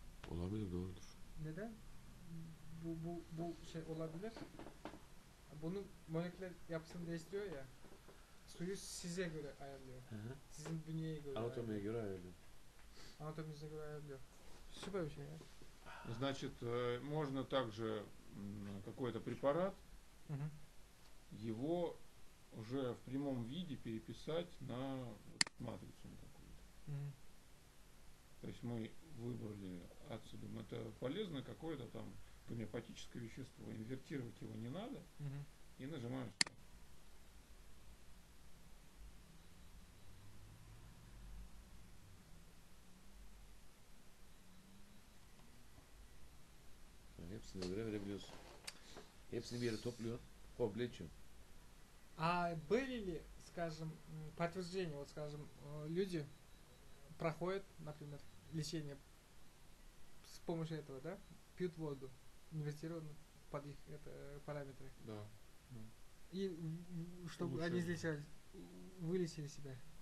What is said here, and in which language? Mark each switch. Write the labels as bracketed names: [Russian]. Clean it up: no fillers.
[Turkish] Olabilir, doğrudur. Neden? Bu şey olabilir. Bunun moleküler yapısını değiştiriyor ya. Suyu size göre ayarlıyor. Hı-hı. Sizin bünyeye göre. Anatomiye göre ayarlıyor. Anatomiye göre ayarlıyor. Süper bir şey ya. [Russian] Значит, можно также какой-то препарат, Hı-hı. его уже в прямом виде переписать на матрицу какую-то. Hı-hı. То есть мы выбрали отсюда. Это полезно какое-то там гомеопатическое вещество. Инвертировать его не надо. Hı-hı. И нажимаем. [Turkish] Hepsini göre verebiliyorsun. Hepsini bir yere topluyor. Komple içiyor. [Russian] А были ли, скажем, подтверждения, вот скажем, люди проходят, например, лечение с помощью этого, да? Пьют воду, инвестированную под их это, параметры. Да. И чтобы они излечались. вылечили себя.